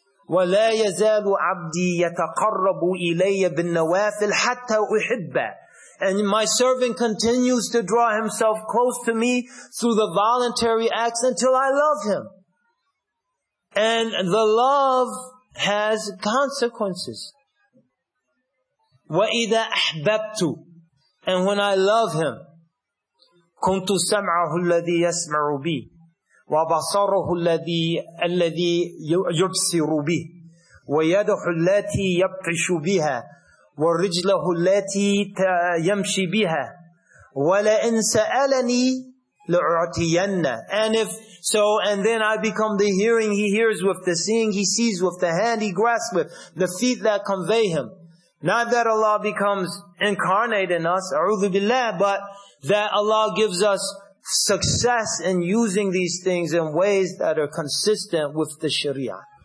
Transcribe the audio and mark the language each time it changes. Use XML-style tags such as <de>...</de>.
<ar>وَلَا يَزَالُ عَبْدِي يَتَقَرَّبُ إِلَيَّ بِالنَّوَافِلْ حَتَّى أُحِبَّهُ.</ar> <en>And my servant continues to draw himself close to me through the voluntary acts until I love him. And the love has consequences.</en> <ar>وَإِذَا أَحْبَبْتُ.</ar> <en>And when I love him,</en> <ar>كُنْتُ سَمْعَهُ الَّذِي يَسْمَعُ بِي وَبَصَرُهُ الَّذِي يُبْصِرُ بِي وَيَدُهُ الَّتِي يَبْطِشُ بِهَا وَالرِّجْلَهُ الَّتِي يَمْشِ بِهَا وَلَئِنْ سَأَلَنِي لَأُعْتِيَنَّ.</ar> <en>And then I become the hearing he hears with, the seeing he sees with, the hand he grasps with, the feet that convey him. Not that Allah becomes incarnate in us,</en> <ar>أَعُوذُ بِاللَّهِ,</ar> <en>but that Allah gives us success in using these things in ways that are consistent with the Sharia.</en>